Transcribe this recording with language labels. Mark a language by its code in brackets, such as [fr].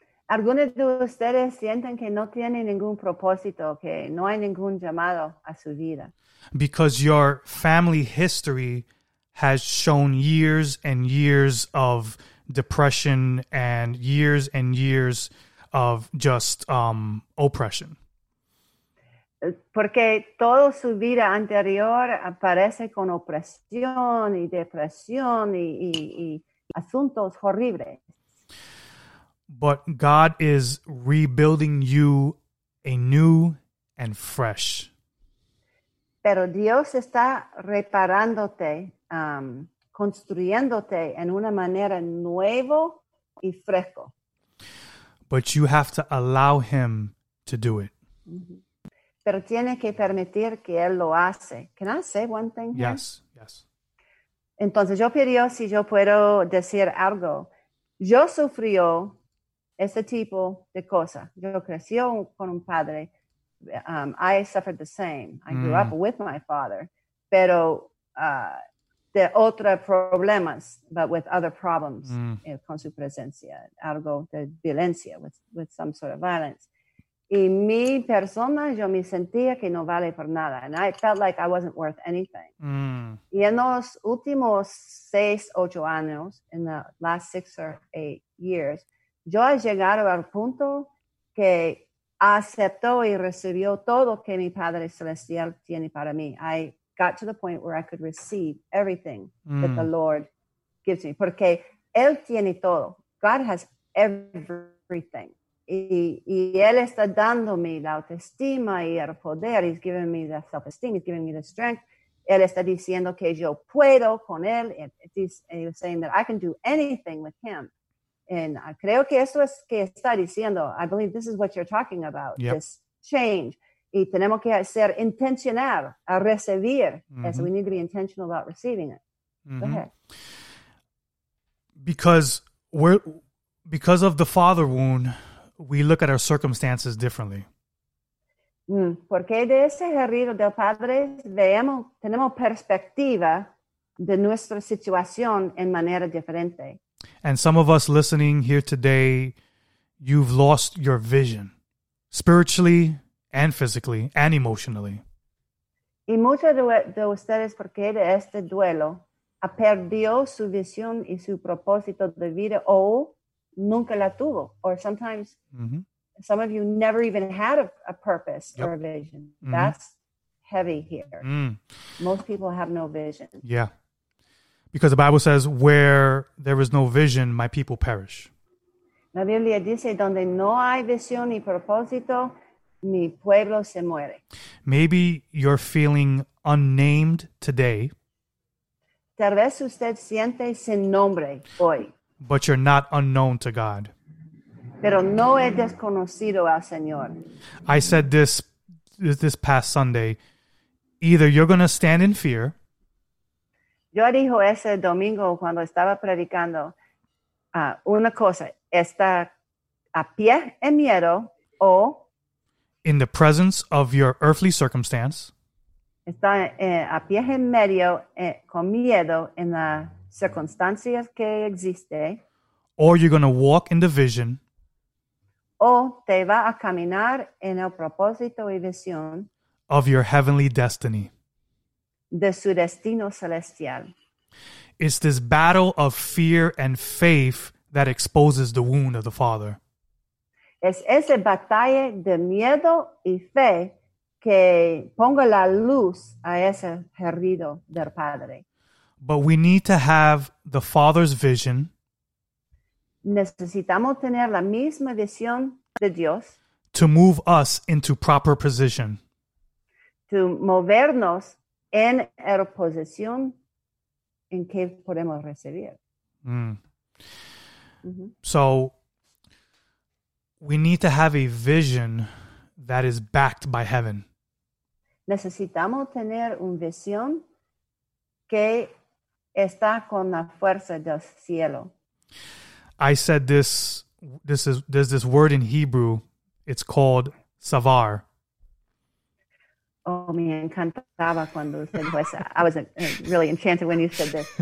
[es] Algunos de ustedes sienten que no tienen ningún propósito, que no hay ningún llamado a su vida. [en] Because your family history has shown years and years of depression and years of just oppression. [es] Porque toda su vida anterior aparece con opresión y depresión y asuntos horribles. [en] But God is rebuilding you anew and fresh. [es] Pero Dios está reparándote, construyéndote en una manera nuevo y fresco. [en] But you have to allow him to do it. Mm-hmm. [es] Pero tiene que permitir que él lo hace. [en] Can I say one thing here? Yes, yes. [es] Entonces yo pido si yo puedo decir algo. Yo sufrí ese tipo de cosa. Yo crecí con un padre. [en] I suffered the same. I grew up with my father, [es] pero de otra problemas, [en] but with other problems [es] con su presencia, algo de violencia, [en] with some sort of violence. [es] Y mi persona, yo me sentía que no vale por nada. [en] And I felt like I wasn't worth anything. Mm. [es] Y en los últimos 6, 8 años, [en] in the last 6 or 8 years, [es] yo he llegado al punto que aceptó y recibió todo que mi Padre Celestial tiene para mí. [en] I got to the point where I could receive everything that the Lord gives me. [es] Porque Él tiene todo. [en] God has everything. [es] Y Él está dándome la autoestima y el poder. [en] He's giving me the self-esteem. He's giving me the strength. [es] Él está diciendo que yo puedo con Él. [en] He's saying that I can do anything with Him. And I [es] creo que eso es que está diciendo. [en] I believe this is what you're talking about, yep. This change. [es] Y tenemos que ser intencional a recibir. Mm-hmm. [en] So we need to be intentional about receiving it. Mm-hmm. Go ahead. Because of the father wound, we look at our circumstances differently. [es] Porque de ese herido del padre, tenemos perspectiva de nuestra situación en manera diferente. [en] And some of us listening here today, you've lost your vision, spiritually and physically and emotionally. [es] Y muchos de ustedes, porque de este duelo, ha perdido su visión y su propósito de vida o nunca la tuvo. [en] Or sometimes, mm-hmm. some of you never even had a purpose, yep. or a vision. Mm-hmm. That's heavy here. Mm. Most people have no vision. Yeah. Because the Bible says, where there is no vision, my people perish. [es] La Biblia dice, donde no hay visión y propósito, mi pueblo se muere. [en] Maybe you're feeling unnamed today. [es] Tal vez usted siente sin nombre hoy. [en] But you're not unknown to God. [es] Pero no es desconocido al Señor. [en] I said this past Sunday, either you're going to stand in fear. [es] Yo dijo ese domingo cuando estaba predicando, una cosa, está a pie en miedo o... [en] In the presence of your earthly circumstance. [es] Está a pie en medio con miedo en las circunstancias que existe. [en] Or you're going to walk in the vision. [es] O te va a caminar en el propósito y visión. [en] Of your heavenly destiny. [es] De su destino celestial. [en] It's this battle of fear and faith that exposes the wound of the Father. [es] Es esa batalla de miedo y fe que ponga la luz a ese herido del Padre. [en] But we need to have the Father's vision. [es] Necesitamos tener la misma visión de Dios. [en] To move us into proper position. [es] To movernos en la posición en que podemos recibir. [en] Mm. Mm-hmm. So, we need to have a vision that is backed by heaven. [es] Necesitamos tener una visión que está con la fuerza del cielo. [en] I said there's this word in Hebrew, it's called savar. [es] Oh, me encantaba cuando usted fue. [en] I was really enchanted when you said this.